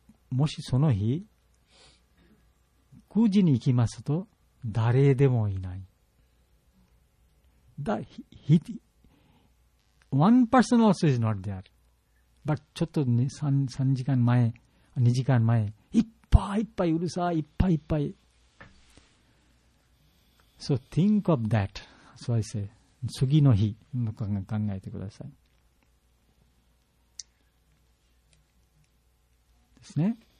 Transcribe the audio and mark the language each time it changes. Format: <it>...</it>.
<ja>もしその日9時に行きますと誰でもいない。</ja> <en>だ、ひ、ひ、one person also is not there.</en> <ja>But ちょっと 2時間前、いっぱいいっぱいうるさい、いっぱいいっぱい。</ja> <en>So think of that. So I say,</en> <ja>次の日の考えてください。ですね。</ja>